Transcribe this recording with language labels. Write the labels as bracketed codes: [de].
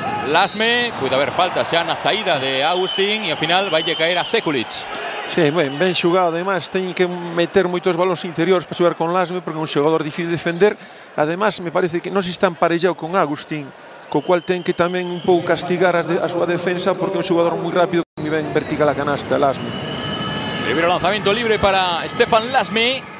[es] Lasme, puede haber falta ya en la salida de Agustín y al final va a caer a Sekulić. [gl] Sí, ben, ben xugado, además, ten que meter moitos balóns interiores para xugar con Lasme, porque é un xogador difícil de defender. Además, me parece que non se está emparellado con Agustín, co cual ten que tamén un pouco castigar a súa defensa, porque é un xogador moi rápido que me ven vertical a canasta, Lasme. [es] Libre lanzamiento libre para Stefan Lasme.